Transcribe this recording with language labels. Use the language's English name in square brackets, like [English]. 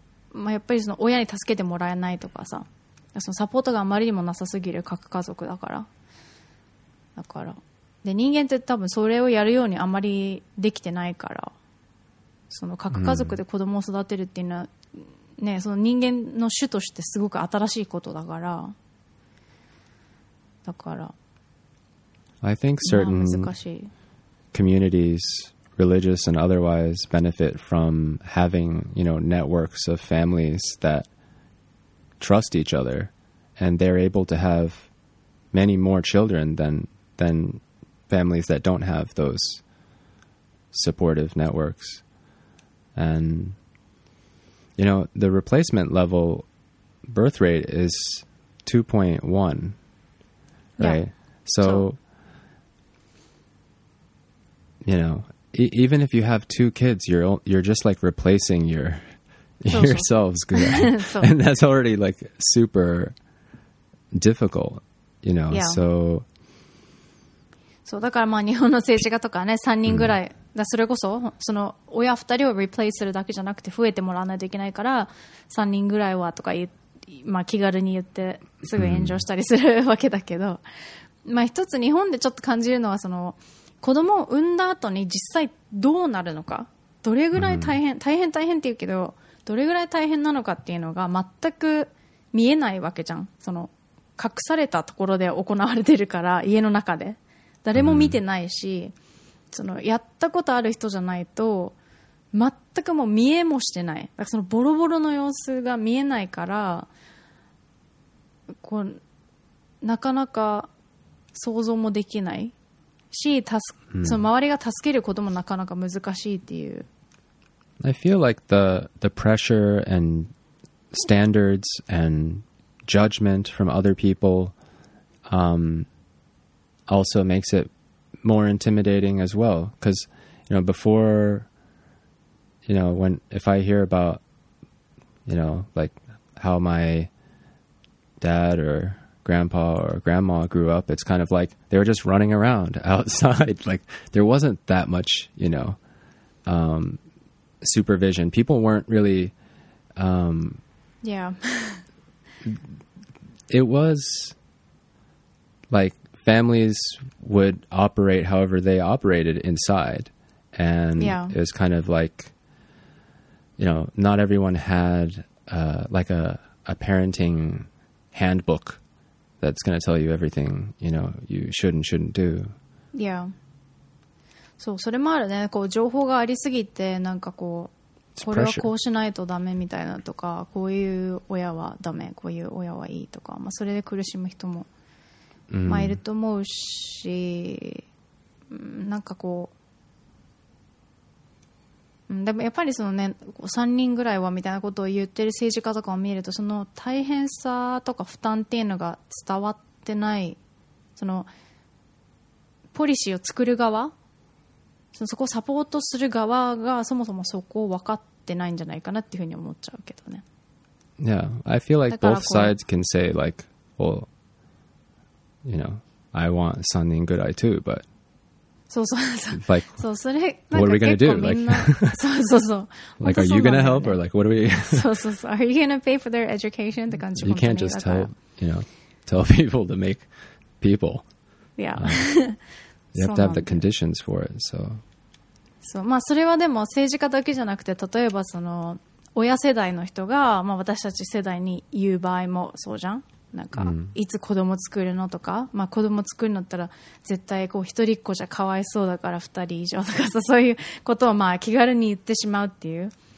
[Japanese] まあ、やっぱりその親に助けてもらえないとかさ、そのサポートがあまりにもなさすぎる核家族だから、だからで人間って多分それをやるようにあまりできてないから、その核家族で子供を育てるっていうのは、うん、ね、その人間の種としてすごく新しいことだから、だから [English] I think certain communitiesreligious and otherwise benefit from having, you know, networks of families that trust each other, and they're able to have many more children than families that don't have those supportive networks. And, you know, the replacement level birth rate is 2.1, right? Yeah. So, you know,Even if you have two kids, you're just like replacing yourselves. And that's already like super difficult, you know,、 yeah. so. [Japanese] So, だからまあ日本の政治家とかね、3人ぐらい、だそれこそ、その親2人を replace するだけじゃなくて増えてもらわないといけないから、3人ぐらいはとか言まあ気軽に言ってすぐ炎上したりするわけだけど、まあ一つ日本でちょっと感じるのはその、子供を産んだ後に実際どうなるのか、どれぐらい大変、大変大変って言うけど、どれぐらい大変なのかっていうのが全く見えないわけじゃん。その隠されたところで行われてるから、家の中で誰も見てないし、そのやったことある人じゃないと全くもう見えもしてない、だからそのボロボロの様子が見えないから、こうなかなか想像もできないし、その周りが助けることもなかなか難しいっていう。 [English] I feel like the pressure and standards and judgment from other people also makes it more intimidating as well. Because, you know, before, you know, when if I hear about, you know, like how my dad or grandpa or grandma grew up, it's kind of like they were just running around outside. Like there wasn't that much, you know, supervision. People weren't really, it was like families would operate however they operated inside. And it was kind of like, you know, not everyone had, like a parenting handbook that's going to tell you everything, you know, you should and shouldn't do. Yeah. [Japanese] そう、それもあるね。こう情報がありすぎて、なんかこう、これはこうしないとダメみたいなとか、こういう親はダメ、こういう親はいいとか、まあ、それで苦しむ人も、まあ、いると思うし、なんかこう、でもやっぱりそのね、3人ぐらいはみたいなことを言ってる政治家とかを見ると、その大変さとか負担っていうのが伝わってない、そのポリシーを作る側、そこをサポートする側がそもそもそこを分かってないんじゃないかなっていうふうに思っちゃうけどね。 [English] Yeah, I feel like both sides can say like, well, you know, I want [Japanese] 3人ぐらい [English] too, but... [Japanese] そうそう [English] like, what are we going to do? Like, [Japanese] そうそうそう [English] like are you going to help? Or like, what are we... [Japanese] そうそうそう [English] are you going to pay for their education? [Japanese] って感じ [English] you can't just tell, you know, tell people to make people. Yeah. You have to have the conditions for it. So. [Japanese] そう、まあ、それはでも政治家だけじゃなくて、例えばその親世代の人が、まあ、私たち世代に言う場合もそうじゃん。なんかいつ子供作るのとか、まあ、子供作るのったら絶対こう一人っ子じゃかわいそうだから二人以上とかさそういうことをまあ気軽に言ってしまうっていう。